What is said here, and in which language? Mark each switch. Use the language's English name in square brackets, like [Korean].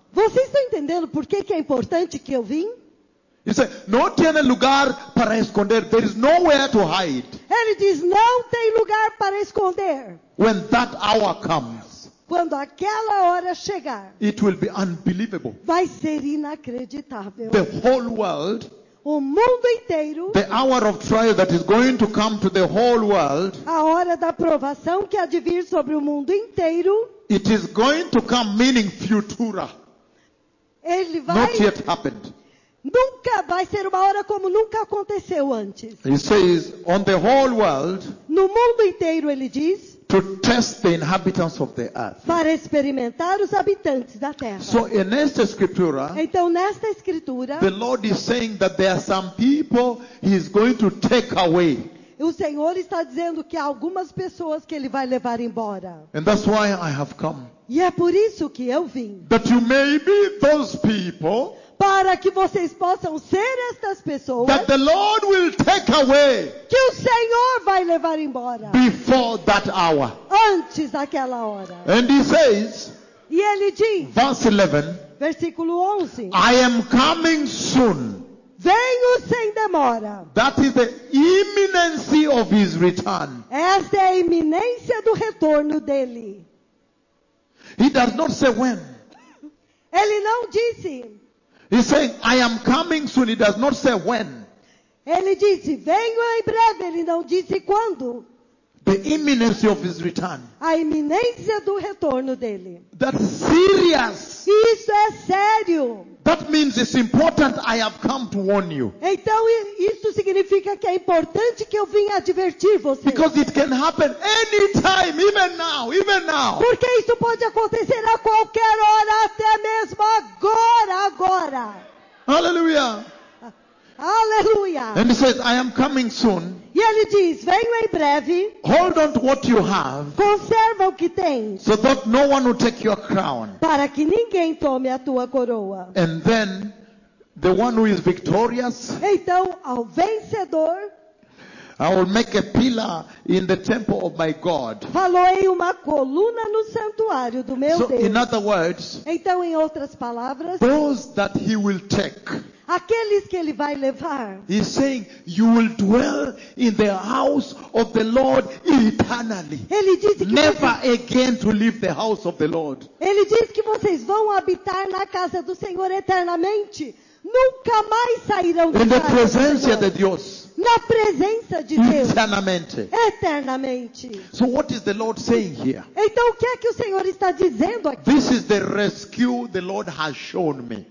[Portuguese] Vocês estão entendendo por que é importante que eu vim? [English] He said, [Portuguese] "Não tem lugar para esconder. [English] There is nowhere to hide." [Portuguese] Ele diz, "Não tem lugar para esconder." [English] When that hour comes. [Portuguese] Quando aquela hora chegar, [English] it will be unbelievable. [Portuguese] Vai ser inacreditável. [English] The whole world, [Portuguese] o mundo inteiro, [English] the hour of trial that is going to come to the whole world, [Portuguese] a hora da provação que há de vir sobre o mundo inteiro, [English] it is going to come, meaning futura. [Portuguese] Ele vai, [English] not yet happened. [Portuguese] Nunca vai ser uma hora como nunca aconteceu antes. [English] He says, on the whole world, [Portuguese] no mundo inteiro, ele diz. [English] To test the inhabitants of the earth. [Portuguese] Para experimentar os habitantes da terra. [English] So in [Portuguese] esta escritura, então nesta escritura, [English] the Lord is saying that there are some people he is going to take away. [Portuguese] O Senhor está dizendo que há algumas pessoas que ele vai levar embora. [English] And that's why I have come. [Portuguese] E é por isso que eu vim. [English] That you may be those people. [Portuguese] Para que vocês possam ser estas pessoas. [English] That the Lord will take away. [Portuguese] Que o Senhor vai levar embora. [English] Before that hour. [Portuguese] Antes daquela hora. [English] And he says. [Portuguese] E ele diz. [English] Verse 11. [Portuguese] Versículo 11. [English] I am coming soon. [Portuguese] Venho sem demora. [English] That is the imminency of his return. [Portuguese] Esta é a iminência do retorno dele. [English] He does not say when. [Portuguese] Ele não disse. [English] He's saying, I am coming soon. He does not say when. [Portuguese] Ele disse, venho em breve. Ele não disse quando. [English] The imminence of his return. [Portuguese] A iminência do retorno dele. [English] That's serious. [Portuguese] Isso é sério. [English] That means it's important I have come to warn you. [Portuguese] Então isso significa que é importante que eu vim advertir você. [English] Because it can happen anytime, even now. [Portuguese] Porque isso pode acontecer a qualquer hora, até mesmo agora. Hallelujah. Hallelujah. [English] And he says, I am coming soon. [Portuguese] E ele diz, venho em breve. [English] Hold on to what you have. [Portuguese] Conserva o que tens. [English] So that no one will take your crown. [Portuguese] Para que ninguém tome a tua coroa. [English] And then, the one who is victorious. [Portuguese] Então, ao vencedor. [English] I will make a pillar in the temple of my God. [Portuguese] Faloei uma coluna no santuário do meu [English] so, [Portuguese] Deus. [English] In other words. [Portuguese] Então, em outras palavras. [English] Those that he will take. [Portuguese] Aqueles que ele vai levar. [English] He's saying, you will dwell in the house of the Lord eternally. [Portuguese] Ele diz que [English] never vocês... again to leave the house of the Lord. [Portuguese] Ele diz que vocês vão habitar na casa do Senhor eternamente. Nunca mais sairão de casa. [English] In the presence of [Portuguese] Deus. Na presença de Deus. Eternamente. Eternamente. [English] So what is the Lord saying here? [Portuguese] Então o que é que o Senhor está dizendo aqui? [English] This is the rescue the Lord has shown me.